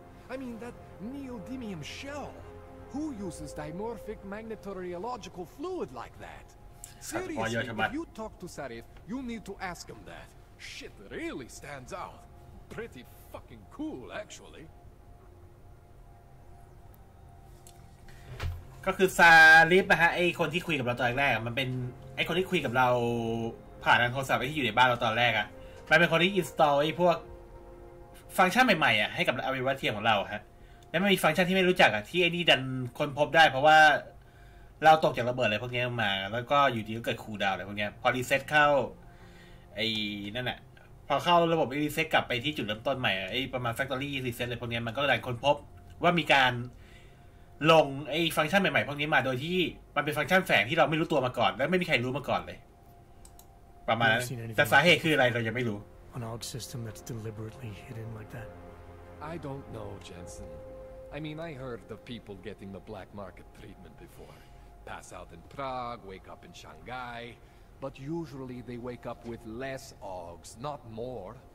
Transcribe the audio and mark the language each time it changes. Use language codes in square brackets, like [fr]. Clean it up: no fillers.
[en] I mean, that neodymium shell. Who uses dimorphic magnetoreological fluid like that? Seriously, if you talk to Sarif, you need to ask him that. Shit really stands out. Pretty fucking cool, actually. [th] ก็คือซาลิฟนะฮะไอคนที่คุยกับเราตอนแรกมันเป็นไอคนที่คุยกับเราผ่านทางโทรศัพท์ที่อยู่ในบ้านเราตอนแรกอ่ะมันเป็นคนที่อินสตอลไอพวกฟังก์ชันใหม่ๆอ่ะให้กับอวัยวะเทียมของเราฮะแล้วมันมีฟังก์ชันที่ไม่รู้จักอ่ะที่ไอนี่ดันคนพบได้เพราะว่าเราตกจากระเบิดอะไรพวกนี้มาแล้วก็อยู่ดีก็เกิดคูลดาวน์อะไรพวกนี้พอรีเซ็ตเข้า ไอนั่นแหละพอเข้าระบบรีเซ็ตกลับไปที่จุดเริ่มต้นใหม่ไอประมาณแฟคทอรี่รีเซ็ตอะไรพวกนี้มันก็ดันคนพบว่ามีการลงไอ้ฟังก์ชันใหม่ๆพวกนี้มาโดยที่มันเป็นฟังก์ชันแฝงที่เราไม่รู้ตัวมาก่อนและไม่มีใครรู้มาก่อนเลยประมาณนั้นแต่สาเหตุคืออะไรเรายังไม่รู้ [en] An org system that's deliberately hidden like that I don't know Jensen I mean I heard of people getting the black market treatment before pass out in Prague wake up in Shanghai but usually they wake up with less orgs not more